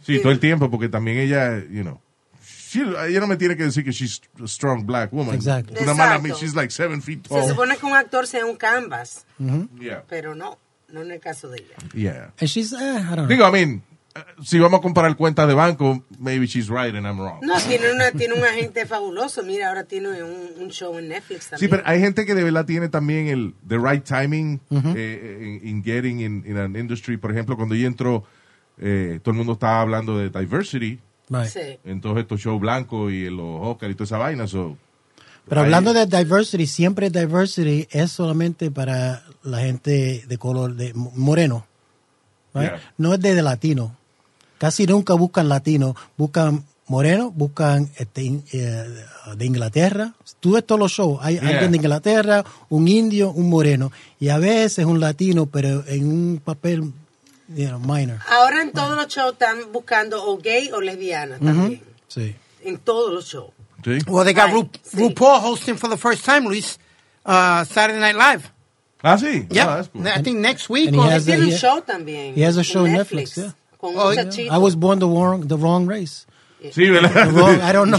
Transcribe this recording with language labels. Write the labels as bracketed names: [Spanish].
[Spanish] Sí, todo el tiempo, porque también ella, [English] you know, [Spanish] ella no me tiene que decir que [English] she's a strong black woman. Exactly. [Spanish] Una mala, [English] she's like 7 feet tall. [Spanish] Se supone que un actor sea un canvas. Mm-hmm. [English] Yeah. [Spanish] Pero no en el caso de ella. [English] Yeah. And she's, I don't know. [Spanish] Digo, [English] I mean... [Spanish] Si vamos a comparar cuenta de banco, [English] maybe she's right and I'm wrong. [Spanish] No, tiene un agente fabuloso. Mira, ahora tiene un show en Netflix también. Sí, pero hay gente que de verdad tiene también [English] the right timing in getting in an industry. [Spanish] Por ejemplo, cuando yo entro, todo el mundo estaba hablando de diversity. [English] Right. [Spanish] Sí. Entonces, estos shows blancos y los Oscar y toda esa vaina. [English] So, [Spanish] pero hablando de diversity, siempre diversity es solamente para la gente de color, de moreno. [English] Right? Yeah. [Spanish] No es de latino. Casi nunca buscan latino. Buscan moreno, buscan de Inglaterra. Tú ves todos los shows. Hay alguien de Inglaterra, un indio, un moreno. Y a veces un latino, pero en un papel minor. Ahora en todos los shows están buscando o gay o lesbiana también. Mm-hmm. Sí. En todos los shows. Sí. [English] Well, they got RuPaul hosting for the first time, Luis, Saturday Night Live. [Spanish] Ah, sí. [English] Yeah. Oh, that's cool. I think next week. He has a show también. He has a show on Netflix. Yeah. I was born the wrong race. [Spanish] Sí, ¿verdad? [English] I don't know.